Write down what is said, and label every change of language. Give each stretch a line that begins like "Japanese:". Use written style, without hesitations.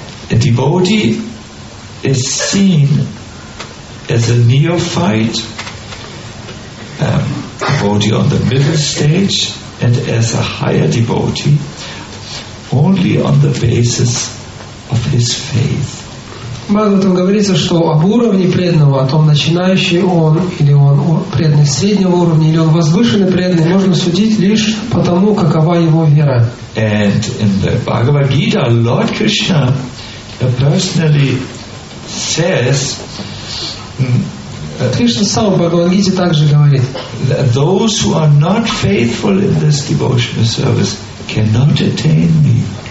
English: A devotee is seen as a neophyte, devotee on the middle stage, and as a higher devotee only on the basis of his faith.
Russian: В Бхагаватам говорится, что об уровне преданного, о том, начинающий он, или он преданный среднего уровня, или он возвышенный преданный, можно судить лишь по тому, какова его вера.
English: And in the Bhagavad Gita, Lord Krishna personally says,
Russian: Кришна сам в Бхагавад Гите также говорит,
English: that those who are not faithful in this devotional service cannot attain me.